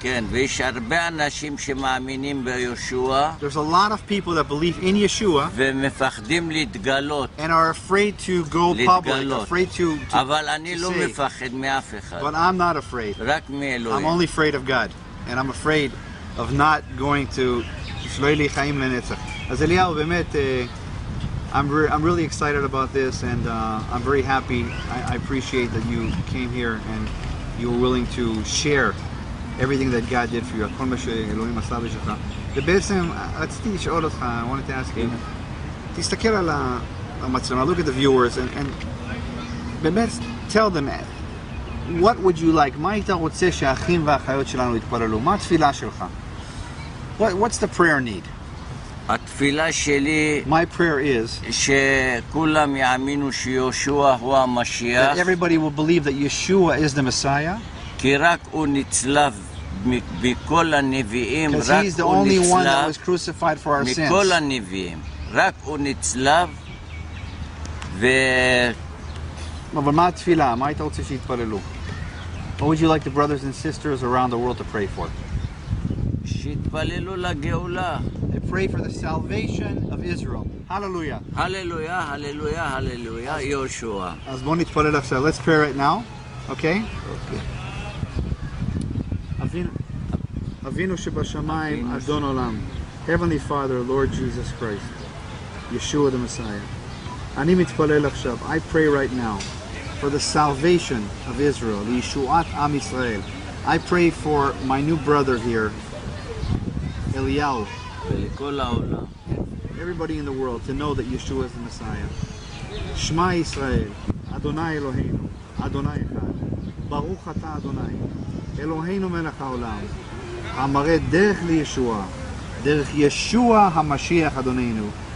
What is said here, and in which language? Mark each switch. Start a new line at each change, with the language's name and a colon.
Hebrew: ויש הרבה אנשים שמאמינים בישוע.
English: There's a lot of people that believe in Yeshua.
Hebrew: ומפחדים להתגלות.
English: And are afraid to go public. Afraid to.
Hebrew: אבל אני לא מפחד מאף אחד.
English: But I'm not afraid.
Hebrew: רק מאלוהים.
English: I'm only afraid of God. And I'm afraid of not going to
Hebrew: שלא לי חיים לנצח. אז אליהו באמת,
English: I'm really excited about this, and I'm very happy. I appreciate that you came here and you were willing to share everything that God did for you.
Hebrew: כל מה שאלוהים עשה בשבילך. ובעצם, רציתי לשאול אותך,
English: I wanted to ask you,
Hebrew: תסתכל על המצלמה,
English: look at the viewers, and
Hebrew: באמת,
English: tell them, what would you like?
Hebrew: מה היית רוצה שהאחים והאחיות שלנו יתפללו? מה התפילה שלך?
English: What's the prayer need?
Hebrew: התפילה שלי,
English: my prayer is
Hebrew: שכולם יאמינו שישוע הוא המשיח.
English: That everybody will believe that Yeshua is the Messiah.
Hebrew: כי רק הוא נצלב בכל הנביאים,
English: because he's the only one that was crucified for our sins.
Hebrew: מכל הנביאים, רק הוא נצלב. ו... אבל מה התפילה? מה היית רוצה שיתפללו?
English: What would you like the brothers and sisters around the world to pray for?
Hebrew: שיתפללו לגאולה.
English: They pray for the salvation of Israel. Hallelujah. Hallelujah, hallelujah, hallelujah, Yeshua.
Hebrew: אז בוא נתפלל עכשיו.
English: Let's pray right now. Okay? Okay.
Hebrew: אבינו שבשמיים, אדון עולם.
English: Heavenly Father, Lord Jesus Christ. Yeshua the Messiah.
Hebrew: אני מתפלל עכשיו.
English: I pray right now for the salvation of Israel,
Hebrew: לישועת עם ישראל.
English: I pray for my new brother here, Eliyahu,
Hebrew: ולכל העולם.
English: Everybody in the world to know that Yeshua is the Messiah.
Hebrew: שמע ישראל, אדוני אלוהינו, אדוני אחד. ברוך אתה אדוני, אלוהינו מלך העולם, המראה דרך לישועה, דרך ישוע המשיח אדוננו.